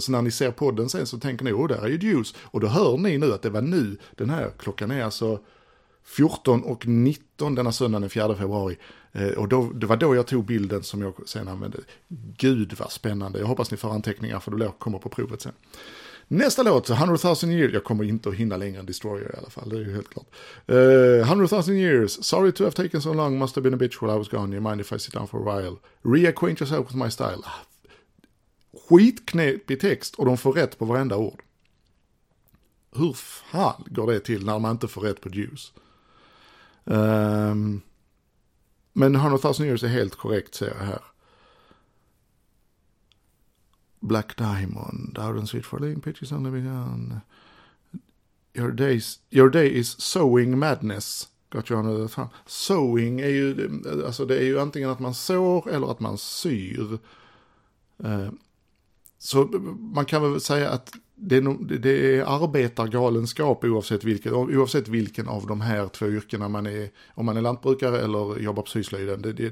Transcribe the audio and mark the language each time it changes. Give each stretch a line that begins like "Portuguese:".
Swedish: Så när ni ser podden sen så tänker ni, oh, där är ju Juice. Och då hör ni nu att det var nu, den här klockan är alltså 14:19 denna söndag den 4 februari. Och då, det var då jag tog bilden som jag sen använde. Gud vad spännande. Jag hoppas ni får anteckningar för då kommer på provet sen. Nästa låt, 100,000 Years. Jag kommer inte att hinna längre än Destroyer i alla fall. Det är ju helt klart. 100,000 Years.
English: Sorry to have taken so long. Must have been a bitch while I was gone. You mind if I sit down for a while? Reacquaint yourself with my style.
Swedish: Skitknepig text och de får rätt på varenda ord. Hur fan går det till när man inte får rätt på Juice? Men 100,000 Years är helt korrekt, säger jag här.
English: Black Diamond, out and sweet for living pitches on the began. Your day is sowing madness. Got you under the thumb.
Swedish: Sowing är ju, alltså det är ju antingen att man sår eller att man syr. Så man kan väl säga att det är arbetargalenskap oavsett vilken av de här två yrkena man är, om man är lantbrukare eller jobbar på syslöjden.